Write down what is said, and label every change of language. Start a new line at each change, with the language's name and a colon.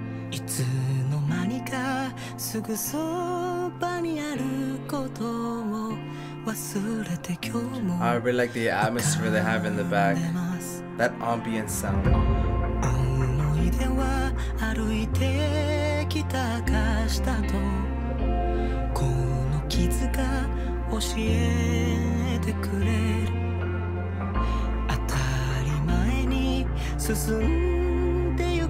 Japanese: いつの間にかすぐそばにあることを忘れて今日も
English: I really like the atmosphere they have in the back. That ambient sound.
Japanese: 思い出は歩いてきた証だとこの傷が教えてくれる当たり前に進む